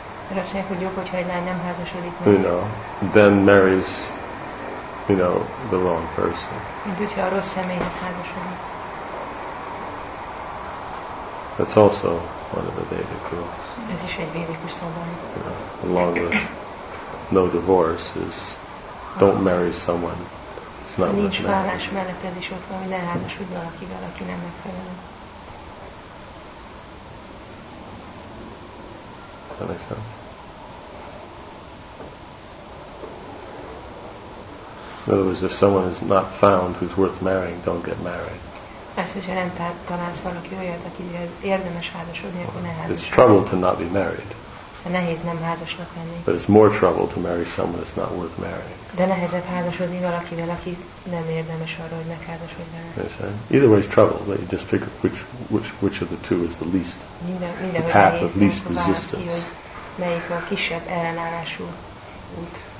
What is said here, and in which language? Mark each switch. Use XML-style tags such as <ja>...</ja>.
<en>You know, then marries, you know, the wrong person. That's also one of the Vedic rules. You know, along with no divorce is don't marry someone.</en> <hu>Nincs válás mellett ez is ott van, hogy ne házasodj valakivel, aki nem megfelelő.</hu> <en>Does that make sense? In other words, if someone is not found who's worth marrying, don't get married.</en> <hu>Ez, hogyha nem találsz valaki olyat, aki érdemes házasodni, akkor ne házasodj.</hu> <en>It's trouble to not be married.</en> <hu>De nehéz nem házasnak lenni.</hu> <en>But it's more trouble to marry someone that's not worth marrying.</en> <hu>De nehezebb házasodni valakivel, aki nem érdemes arra, hogy megházasodj vele.</hu> <en>Either way is trouble, but you just pick which of the two is the least,</en> <hu>minden</hu> <en>the path of least resistance.</en> <hu>Ki, melyik a kisebb ellenállású út.</hu>